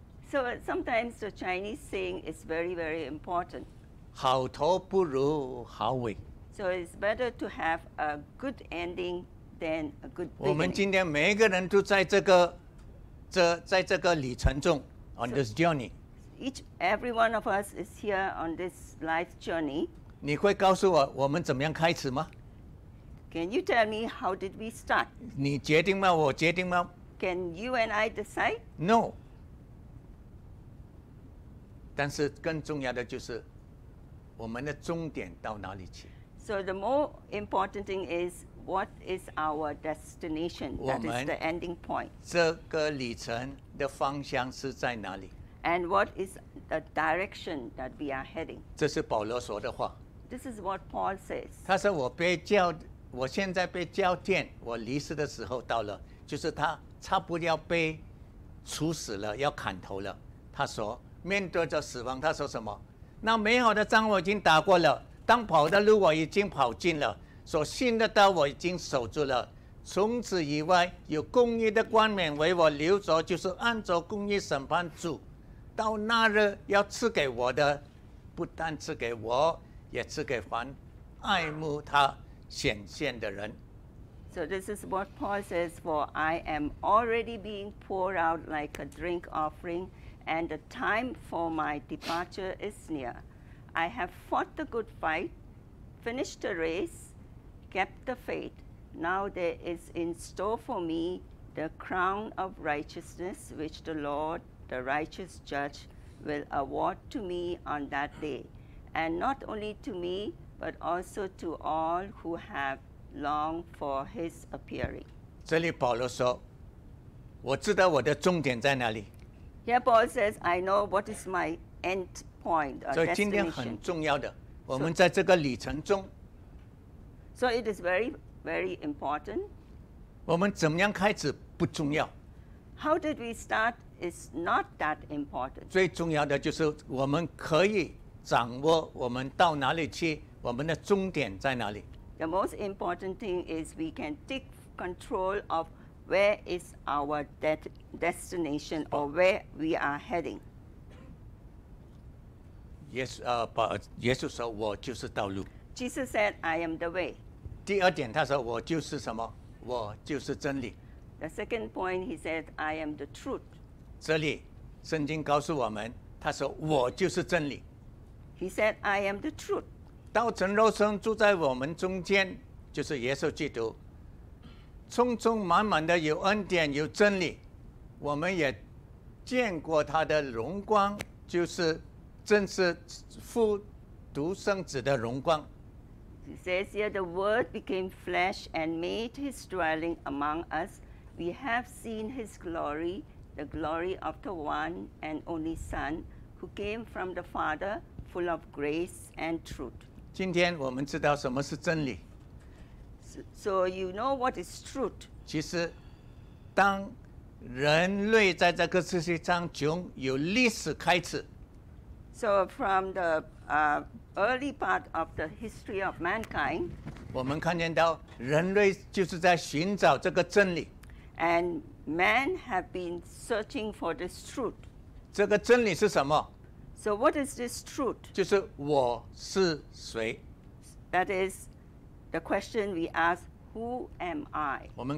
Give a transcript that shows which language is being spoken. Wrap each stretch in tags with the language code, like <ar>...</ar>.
<en>So sometimes the Chinese saying is very, very important.</en> <zh>好头不如好尾。</zh> <en>So it's better to have a good ending than a good beginning.</en> <zh>我们今天每个人都在这个。在这个旅程中</zh> <en>on this journey, every one of us is here on this life journey.</en> <zh>你会告诉我我们怎么样开始吗？</zh> <en>Can you tell me how did we start?</en> <zh>你决定吗？我决定吗？</zh> <en>Can you and I decide? No.</en> <zh>但是更重要的就是我们的终点到哪里去？</zh> <en>So the more important thing is,What is our destination? That is the ending point.</en> <zh>这个旅程的方向是在哪里？</zh> <en>And what is the direction that we are heading?</en> <zh>这是保罗说的话。</zh> <en>This is what Paul says.</en> <zh>他说我被叫，我现在被叫奠，我离世的时候到了，就是他差不多要被处死了，要砍头了。他说面对着死亡，他说什么？那美好的仗我已经打过了，当跑的路我已经跑尽了。所信的道我已经守住了，从此以外有公义的冠冕为我留着，就是按着公义审判主，到那日要赐给我的，不但赐给我，也赐给凡爱慕他显现的人。</zh> <en>So this is what Paul says, for I am already being poured out like a drink offering, and the time for my departure is near. I have fought the good fight, finished the race,kept the faith. Now there is in store for me the crown of righteousness which the Lord, the righteous judge, will award to me on that day. And not only to me, but also to all who have longed for his appearing.</en> <zh>这里保罗说，我知道我的终点在哪里。</zh> <en>Here Paul says, I know what is my end point, or destination.</en> <zh>所以今天很重要的，我们在这个旅程中</zh> <en>So it is very, very important.</en> <zh>我们怎么样开始不重要。</zh> <en>How did we start is not that important.</en> <zh>最重要的就是我们可以掌握我们到哪里去，我们的终点在哪里。</zh> <en>The most important thing is we can take control of where is our destination or where we are heading? Yes, Jesus said,</en> <zh>我就是道路.</zh> <en>Jesus said, I am the way.</en> <zh>第二点, 他说, 我就是什么? 我就是真理.</zh> <en>The second point, he said, I am the truth.</en> <zh>这里, 圣经告诉我们, 他说, 我就是真理.</zh> <en>He said, I am the truth.</en> <zh>道成肉身住在我们中间, 就是耶稣基督, 充充满满的有恩典有真理, 我们也见过他的荣光, 就是真是父独生子的荣光。</zh> <en>He says here, the Word became flesh and made His dwelling among us. We have seen His glory, the glory of the one and only Son, who came from the Father, full of grace and truth.</en> <zh>今天我们知道什么是真理。</zh> <en>So you know what is truth.</en> <zh>其实当人类在这个世界上穷有历史开始。</zh> <en>So from the early part of the history of mankind,</en> <zh>我们看见到人类就是在寻找这个真理。</zh> <en>And man have been searching for this truth.</en> <zh>这个真理是什么?</zh> <en>So what is this truth?</en> <zh>就是我是谁?</zh> <en>That is the question we ask, who am I?</en>